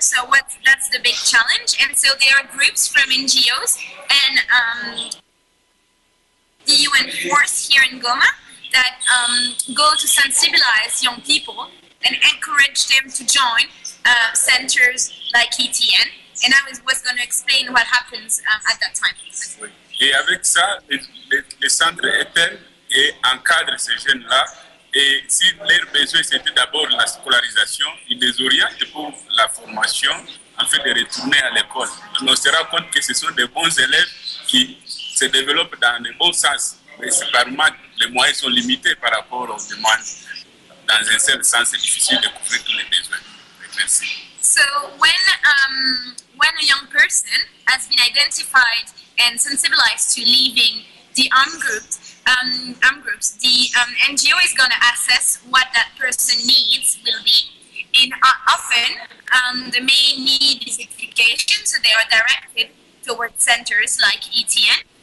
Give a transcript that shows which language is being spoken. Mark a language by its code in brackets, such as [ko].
[en] So that's the big challenge. And so there are groups from NGOs and the UN force here in Goma that go to sensibilize young people and encourage them to join centers like ETN. And I was going to explain what happens at that time. [fr] Et avec ça, le centre ETN encadre ces jeunes-là. Et si leur besoin c'était d'abord la scolarisation, ils les orientent pour la formation, en fait de retourner à l'école. Et on se rend compte que ce sont des bons élèves qui se développent dans le bon sens. Principalement, les moyens sont limités par rapport aux demandes. Dans un seul sens, c'est difficile de couvrir tous les besoins. Merci. [en] So when a young person has been identified and sensibilized to leaving the armed groups, the NGO is going to assess what that person needs will be. And often, the main need is education, so they are directed towards centers like ETN.